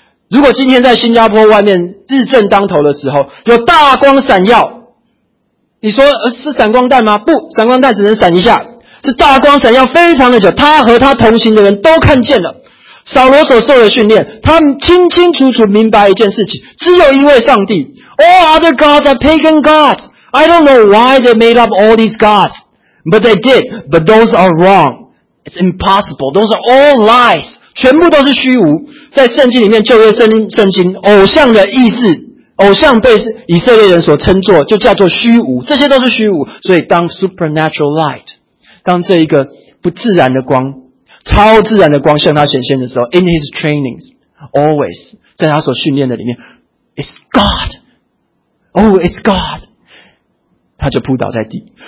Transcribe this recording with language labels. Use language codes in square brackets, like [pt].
[zh] 如果今天在新加坡外面日正当头的时候，有大光闪耀，你说是闪光弹吗？不，闪光弹只能闪一下，是大光闪耀非常的久，他和他同行的人都看见了。扫罗所受的训练，他清清楚楚明白一件事情，只有一位上帝。 [en] All other gods are pagan gods. I don't know why they made up all these gods, but they did, but those are wrong. It's impossible. Those are all lies. [zh] 全部都是虚无。在圣经里面，旧约圣经，偶像的意志，偶像被以色列人所称作，就叫做虚无，这些都是虚无。所以当 [en] supernatural light, [zh] 当这一个不自然的光，超自然的光向他显现的时候， [en] in his trainings, always, [zh] 在他所训练的里面， [en] it's God, oh, it's God, [zh] 他就扑倒在地。